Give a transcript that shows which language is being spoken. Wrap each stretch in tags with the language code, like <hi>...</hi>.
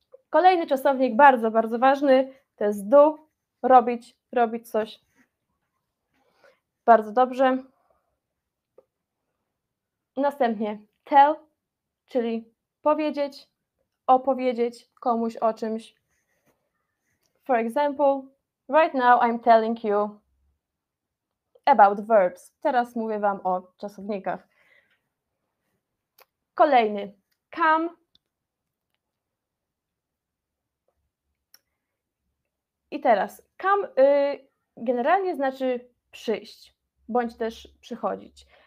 <pl>Kolejny czasownik, bardzo, bardzo ważny, to jest do, robić, robić coś. Bardzo dobrze. Następnie tell, czyli powiedzieć, opowiedzieć komuś o czymś.</pl> <en>For example, right now I'm telling you about verbs.</en> <pl>Teraz mówię wam o czasownikach. Kolejny, come. I teraz, come generalnie znaczy przyjść, bądź też przychodzić.</pl>